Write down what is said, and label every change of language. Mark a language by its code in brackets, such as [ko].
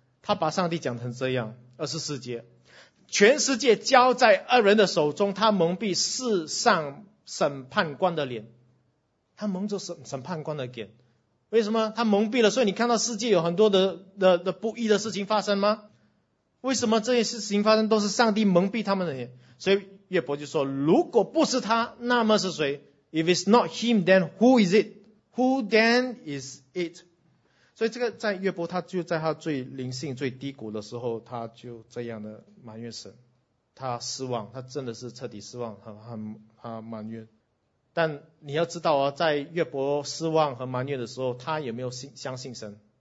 [zh] 他把上帝讲成这样。24节，全世界交在恶人的手中，他蒙蔽世上审判官的脸。他蒙着审判官的脸，为什么？他蒙蔽了，所以你看到世界有很多 的不义的事情发生吗？为什么这些事情发生都是上帝蒙蔽他们的脸？所以岳伯就说，如果不是他，那么是谁？ [en] If it's not him, then who is it? Who then is it? [zh] 所以这个在岳伯，他就在他最灵性最低谷的时候，他就这样的埋怨神，他失望，他真的是彻底失望，他埋怨。但你要知道啊，在岳伯失望和埋怨的时候，他有没有相信神？